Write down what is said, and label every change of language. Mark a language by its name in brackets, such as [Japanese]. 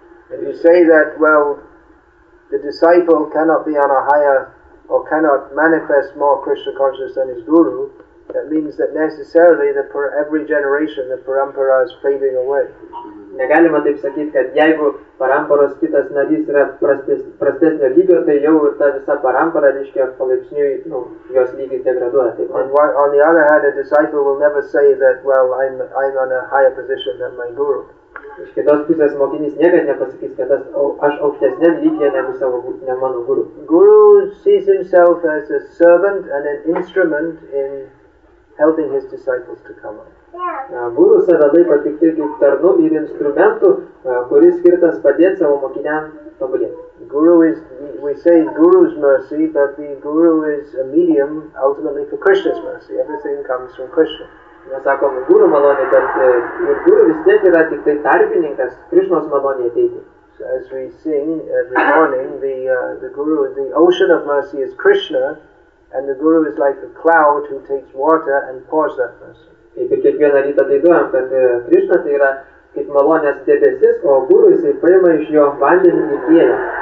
[English] If you say that, well, the disciple cannot be on a higher or cannot manifest more Krishna consciousness than his guru, that means that necessarily that for every generation the parampara is fading away. [Lithuanian] Negalima taip sakyti, kad jeigu paramparos kitas narys yra prastesnio lygio, tai jau ta visa parampara, reiškia, palaipsniui, nu, jos lygis degraduoja. [English] On the other hand, a disciple will never say that, well, I'm on a higher position than my guru. [Lithuanian] Iš kitos pusės mokinys niekad nepasakys, kad aš aukštesniam lygyje negu savo, ne mano guru. [English] Guru sees himself as a servant and an instrument in helping his disciples to come up. [Lithuanian] Guru save laiko tik kaip tarnu ir instrumentu, kuris skirtas padėti savo mokiniam tobulėti. [English] Guru is, we say Guru's mercy, but the Guru is a medium ultimately for Krishna's mercy. Everything comes from Krishna. [Lithuanian] Mes sakom Guru malonė, bet ir Guru vis tiek yra tik tai tarpininkas Krishnos malonė ateiti. [English] So as we sing every morning, the Guru, the ocean of mercy is Krishna, and the Guru is like a cloud who takes water and pours that mercy. [Lithuanian] Kaip ir kiekvieną rytą dainuojam, kad Krishna tai yra kaip malonės debesis, o Guru jisai paima iš jo vandenį į kėlę.